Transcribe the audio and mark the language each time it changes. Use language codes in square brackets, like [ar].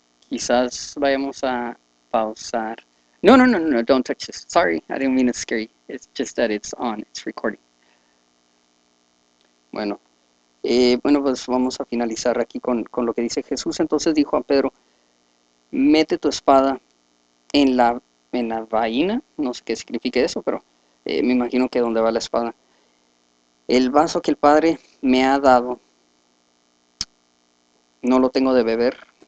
[es] Quizás vayamos a pausar. [en] No, no, no, no, no, don't touch this. Sorry, I didn't mean to scare you. It's just that it's on, it's recording. [es] Bueno. Bueno, pues vamos a finalizar aquí con lo que dice Jesús. Entonces dijo a Pedro, mete tu espada en la vaina, no sé qué significa eso, pero me imagino que donde va la espada. El vaso que el Padre me ha dado, no lo tengo de beber.